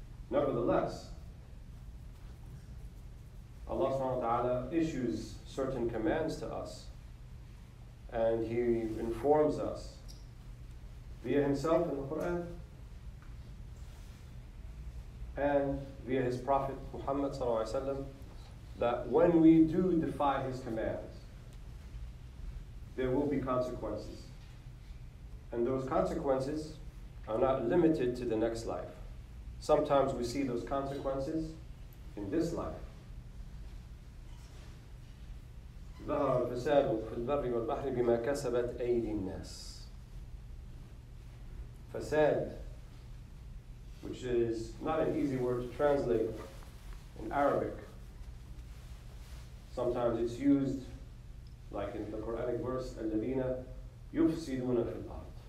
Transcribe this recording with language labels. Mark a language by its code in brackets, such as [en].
[en] Nevertheless, Allah subhanahu wa ta'ala issues certain commands to us, and He informs us via Himself in the Quran and via His Prophet Muhammad sallallahu alaihi wasallam that when we do defy His commands, there will be consequences. And those consequences are not limited to the next life. Sometimes we see those consequences in this life. [ar] ظهر الفساد في البر والبحر بما كسبت أيدي الناس. [en] Fasad, which is not an easy word to translate in Arabic. Sometimes it's used like in the Quranic verse, [ar] الذين يفسدون في الأرض.